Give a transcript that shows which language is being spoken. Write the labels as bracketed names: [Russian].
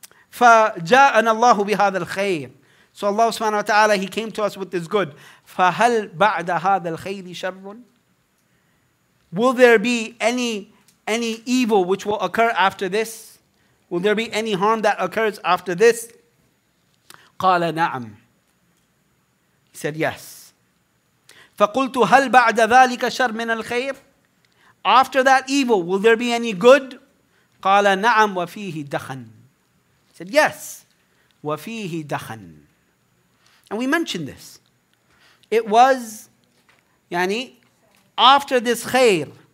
[Arabic] فجاءنا الله بهذا الخير, [English] so Allah سبحانه وتعالى, he came to us with this good, [Arabic] فهل بعد هذا الخير شر؟ [English] Will there be any evil which will occur after this? Will there be any harm that occurs after this? [Arabic] قال نعم. [English] He said yes. [Arabic] فقلت هل بعد ذلك شر من الخير? [English] After that evil, will there be any good? [Arabic] قال نعم وفيه دخن. [English] He said yes. [Arabic] وفيه دخن. [English] And we mentioned this. It was, يعني, after this khair,